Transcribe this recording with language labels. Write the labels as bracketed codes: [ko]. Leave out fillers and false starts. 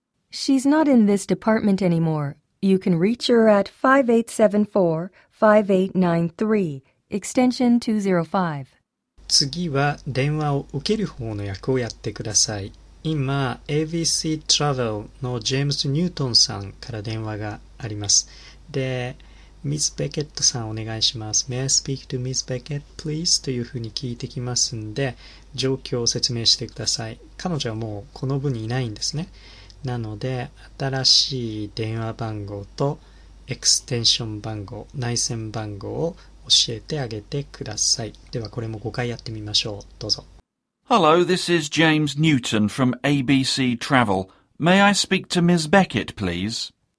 [en] She's not in this department anymore. You can reach her at 5874-5893, extension 205. [ja] 次は電話を受ける方の役をやってください。今、ABC Travel のジェームス・ニュートンさんから電話があります。で、Ms. Beckett さんお願いします。 [en] May I speak to Ms. Beckett, please? [ja] というふうに聞いてきますんで、状況を説明してください。彼女はもうこの部にいないんですね。なので、新しい電話番号とエクステンション番号、内線番号を教えてあげてください。では、これも5回やってみましょう。どうぞ。 [en] Hello, this is James Newton from ABC Travel. May I speak to Ms. Beckett, please?